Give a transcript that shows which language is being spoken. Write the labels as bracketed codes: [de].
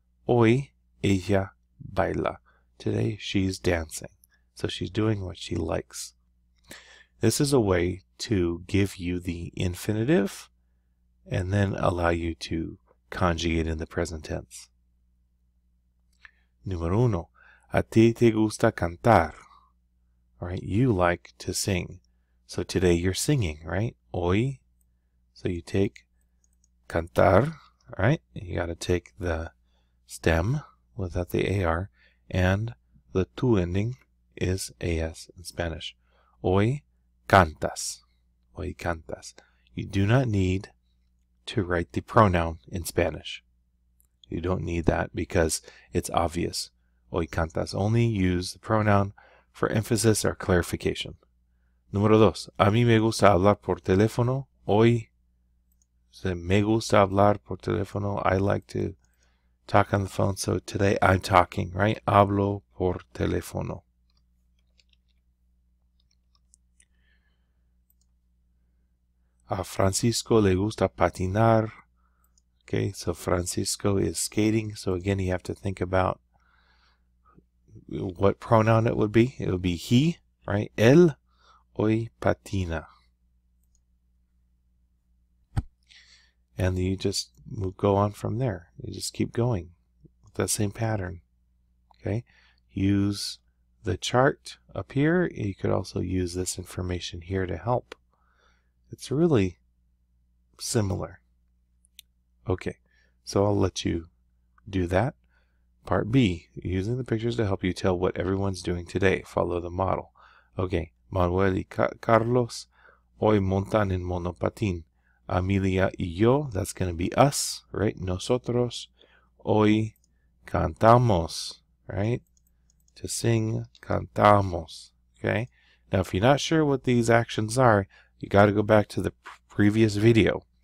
[es] Hoy ella baila. [en] Today she's dancing. So she's doing what she likes. This is a way to give you the infinitive and then allow you to conjugate in the present tense. [es] Número uno, a ti te gusta cantar. [en] All right, you like to sing. So today you're singing, right? Hoy. So you take cantar, right? You got to take the stem without the AR, and the tu ending is AS in Spanish. [es] Hoy cantas. Hoy cantas. [en] You do not need to write the pronoun in Spanish. You don't need that because it's obvious. [es] Hoy cantas. [en] Only use the pronoun for emphasis or clarification. [es] Número dos. A mí me gusta hablar por teléfono. Hoy se me gusta hablar por teléfono. [en] I like to talk on the phone. So today I'm talking, right? [es] Hablo por teléfono. A Francisco le gusta patinar. [en] Okay, so Francisco is skating. So again, you have to think about what pronoun it would be. It would be he, right? [es] Él hoy patina. [en] And you just go on from there. You just keep going with that same pattern. Okay, use the chart up here. You could also use this information here to help. It's really similar. Okay, so I'll let you do that. Part B, using the pictures to help you tell what everyone's doing today. Follow the model. [es] Okay, Manuel y Carlos hoy montan en monopatín. Amelia y yo, [en] that's going to be us, right? [es] Nosotros hoy cantamos, [en] right? To sing, cantamos, okay? Now, if you're not sure what these actions are, you got to go back to the previous video.